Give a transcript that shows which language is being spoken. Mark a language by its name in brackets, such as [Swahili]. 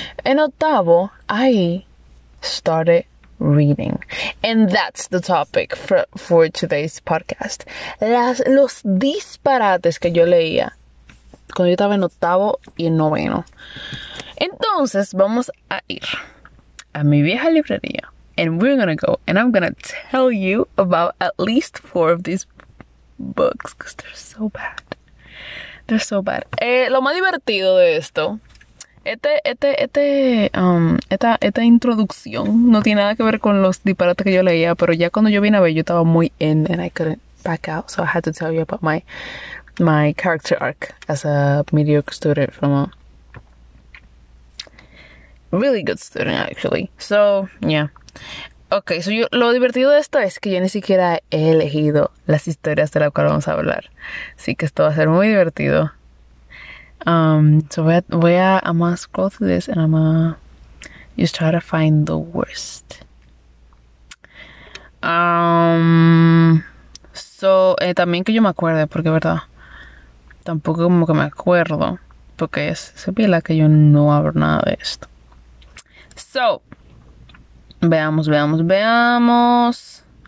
[Spanish] En octavo, [English] I started reading. And that's the topic for today's podcast. [Spanish] Los disparates que yo leía cuando yo estaba en octavo y en noveno. Entonces, vamos a ir a mi vieja librería. [English] And we're gonna go. And I'm gonna tell you about at least four of these books, because they're so bad. They're so bad. [Spanish] Lo más divertido de esto, esta introducción no tiene nada que ver con los disparates que yo leía, pero ya cuando yo vine a ver, yo estaba muy [English] in and I couldn't back out, so I had to tell you about my character arc as a mediocre student from a really good student, actually. So, yeah. [Spanish] Okay, so lo divertido de esto es que yo ni siquiera he elegido las historias de las cuales vamos a hablar. Así que esto va a ser muy divertido. [English] So I'm gonna scroll through this and I'm gonna just try to find the worst. [Spanish] También que yo me acuerde, porque verdad, tampoco como que me acuerdo, porque se pila que yo no hablo nada de esto. So, veamos, veamos, veamos.